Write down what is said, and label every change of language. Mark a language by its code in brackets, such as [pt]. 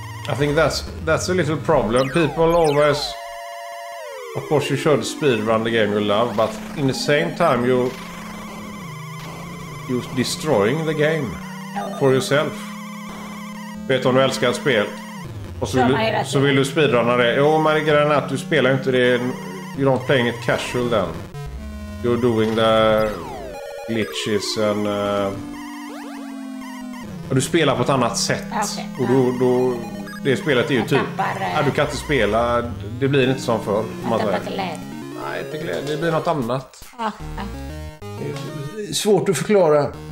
[en] I think that's a little problem. People always, of course, you should speedrun the game you love, but in the same time you're destroying the game for yourself. [sv] Vet om du älskar ett spel. Och så vill du speedrunna det. Jo, men grejen är att du spelar inte det. [en] You don't playing it casual then. You're doing the glitches and... [sv] du spelar på ett annat sätt. [en] Okay. [sv] Och då... Det spelet är ju typ... du kan inte spela. Det blir inte som förr. Jag tappar glädje. Nej, inte glädje. Det blir något annat. [en] Okay. [sv] Det är svårt att förklara.